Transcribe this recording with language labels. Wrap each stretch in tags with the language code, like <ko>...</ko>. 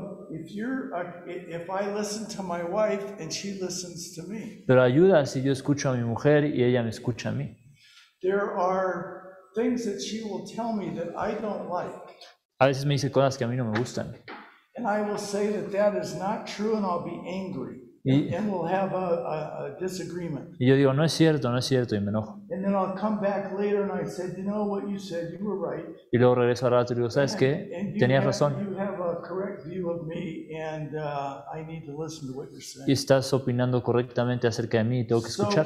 <en>If I listen to my wife and she listens to me.</en> <es>Pero ayuda si yo escucho a mi mujer y ella me escucha a mí.</es> <en>There are things that she will tell me that I don't like.</en> <es>A veces me dice cosas que a mí no me gustan.</es> <en>And I will say that is not true, and I'll be angry. And we'll have a disagreement.</en> <es>Y yo digo, no es cierto, no es cierto, y me enojo.</es> <en>And then I'll come back later and I said, you know what you said, you were right.</en> <es>Y luego regreso al rato y digo, ¿sabes qué? Tenías razón.</es> <en>You have a correct view of me and I need to listen to what you're saying.</en> <es>Y estás opinando correctamente acerca de mí y tengo que escuchar.</es>